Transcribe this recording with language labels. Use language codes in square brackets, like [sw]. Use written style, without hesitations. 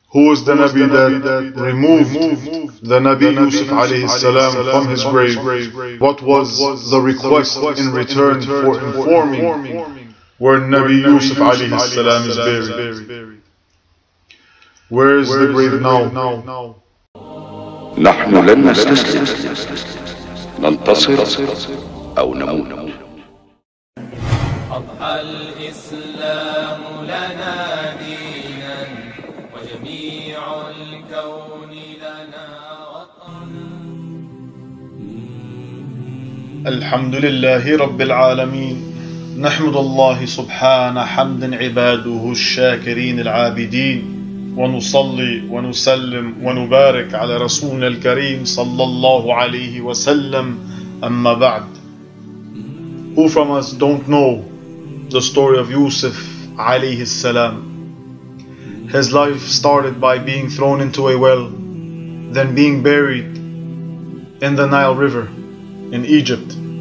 [en] Who is the Nabi that removed the Nabi Yusuf alayhi salam from his grave? What was the request in return for informing where Nabi Yusuf alayhi salam is buried? Where is the grave now? [ar] نحن لن نستسلم ننتصر أو نموت أضحى الإسلام لنا دينا وجميع الكون لنا وطن الحمد لله رب العالمين نحمد الله سبحانه حمد عباده الشاكرين العابدين ونصلي ونسلم ونبارك على رسولنا الكريم صلى الله عليه وسلم أما بعد. [en] Who from us don't know the story of Yusuf عليه السلام? His life started by being thrown into a well, then being buried in the Nile River in Egypt.